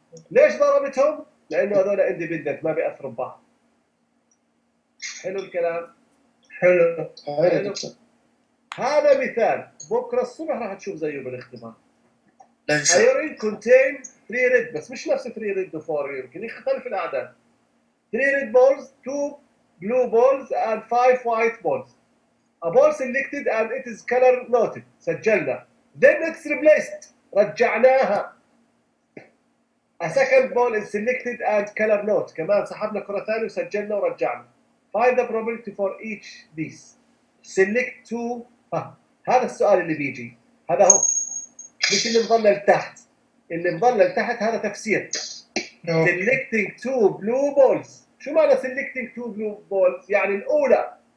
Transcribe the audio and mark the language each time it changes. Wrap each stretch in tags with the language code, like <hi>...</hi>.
<ar>ليش ضربتهم؟ لانه هذول اندبندنت ما بياثروا ببعض. حلو الكلام؟ حلو هذا مثال. بكره الصبح راح تشوف زيه بالاختبار.</ar> <en>urn contain 3 red</en> <ar>بس مش نفس 3 ريد و 4 ريد، يمكن يختلف الاعداد.</ar> <en>3 red balls 2 blue balls and 5 white balls. A ball selected and it is color noted.</en> <ar>سجلنا.</ar> <en>Then it's replaced.</en> <ar>رجعناها.</ar> <en>A second ball is selected and color note.</en> <ar>كمان سحبنا كرة ثانية وسجلنا ورجعنا.</ar> <en>Find the probability for each these. Select two.</en> <ar>هذا السؤال اللي بيجي. هذا هو. مش اللي مظلل لتحت. اللي مظلل لتحت هذا تفسير.</ar> <en>Selecting two blue balls.</en> <ar>شو معنى</ar> <en>selecting two blue balls؟</en> <ar>يعني الأولى</ar>